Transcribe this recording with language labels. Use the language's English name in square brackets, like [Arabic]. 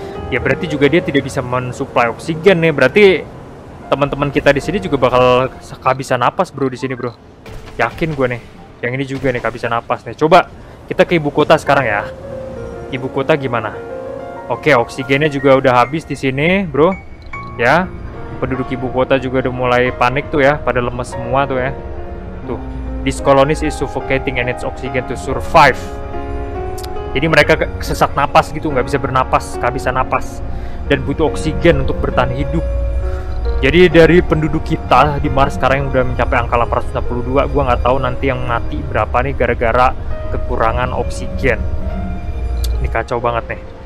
[Indonesian] Ya berarti juga dia tidak bisa mensuplai oksigen nih. Berarti teman-teman kita di sini juga bakal kehabisan napas, bro, di sini, bro. Yakin gue nih. Yang ini juga nih kehabisan napas nih. Coba kita ke ibu kota sekarang ya. Ibu kota gimana? Oke, oksigennya juga udah habis di sini, bro. Ya, penduduk ibu kota juga udah mulai panik tuh ya, pada lemes semua tuh ya. Tuh, [English] this colony is suffocating and its oxygen to survive. [Indonesian] Jadi mereka sesak napas gitu, nggak bisa bernapas, kehabisan napas, dan butuh oksigen untuk bertahan hidup. Jadi dari penduduk kita di Mars sekarang yang udah mencapai angka 862, gue nggak tahu nanti yang mati berapa nih gara-gara kekurangan oksigen. Ini kacau banget nih.